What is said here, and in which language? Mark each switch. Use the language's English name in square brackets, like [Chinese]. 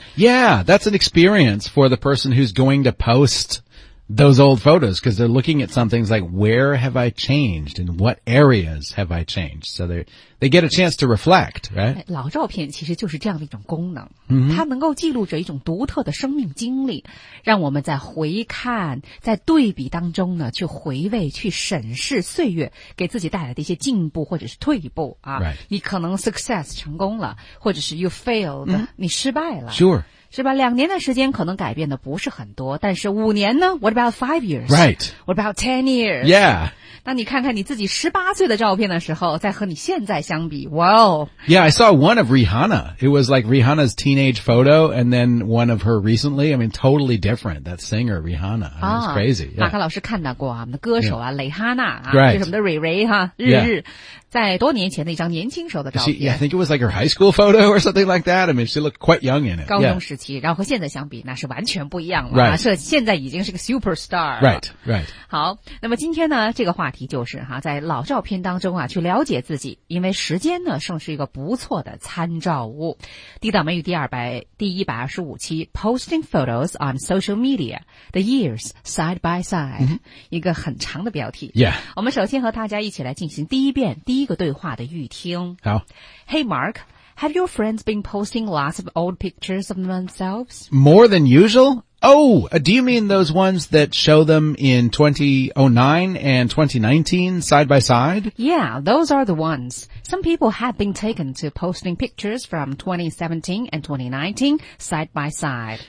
[English] Yeah, that's an experience for the person who's going to post those old photos, because they're looking at some things like, where have I changed and what areas have I changed? So they get a chance to reflect, right? [Chinese] 老照片其实就是这样的一种功能、 [English] mm-hmm. [Chinese] 它能够记录着一种独特的生命经历，让我们在回看，在对比当中呢，去回味，去审视岁月给自己带来的一些进步或者是退步啊。 [English] Right. [Chinese] 你可能 success 成功了，或者是 [English] you failed、 [Chinese] mm-hmm. 你失败了。 [English] Sure. [Chinese] 是吧，两年的时间可能改变的不是很多，但是五年呢 ? [English] What about 5 years? Right. What about 10 years? Yeah. [Chinese] 那你看看你自己18岁的照片的时候再和你现在相比 ,Wow. [English] Yeah, I saw one of Rihanna. It was like Rihanna's teenage photo, and then one of her recently. I mean, totally different. That singer, Rihanna. I mean, it's crazy. Yeah. [Chinese] 马克老师看到过啊，我们的歌手啊、 [English] yeah. [Chinese] 蕾哈娜啊、 [English] right. [Chinese] 就是我们的蕊蕊哈、啊、日日。 [English] Yeah. [Chinese] 在多年前的一张年轻时候的照片。 [English] She, yeah, I think it was like her high school photo or something like that. I mean, she looked quite young in it. [Chinese] 高中时期、yeah. 然后和现在相比那是完全不一样了。 [English] Right. [Chinese] 是现在已经是个 superstar 了。 [English] Right, right. [Chinese] 好，那么今天呢这个话题就是哈，在老照片当中啊去了解自己，因为时间呢算是一个不错的参照物。地道美语第125期 [English] Posting photos on social media, the years side by side,、mm-hmm. [Chinese] 一个很长的标题。 [English] Yeah. [Chinese] 我们首先和大家一起来进行第一个对话的预听。好。 [English] Hey Mark, have your friends been posting lots of old pictures of themselves? More than usual? Oh, do you mean those ones that show them in 2009 and 2019 side by side? Yeah, those are the ones. Some people have been taken to posting pictures from 2017 and 2019 side by side.